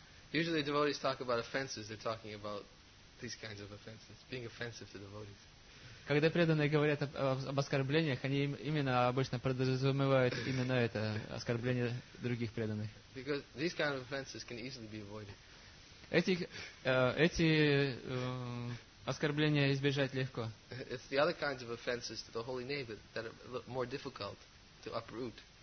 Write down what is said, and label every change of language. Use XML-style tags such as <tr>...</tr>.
<en>Usually devotees talk about offenses, they're talking about these kinds of offenses, being offensive to devotees.</en> <ru>Когда преданные говорят об оскорблениях, они именно обычно подразумевают именно это, оскорбление других преданных.</ru> <en>Because these kind of offenses can easily be avoided.</en> <ru>Эти оскорбления избежать легко.</ru> <en>It's the other kinds of offenses to the holy name that are more difficult to uproot.</en>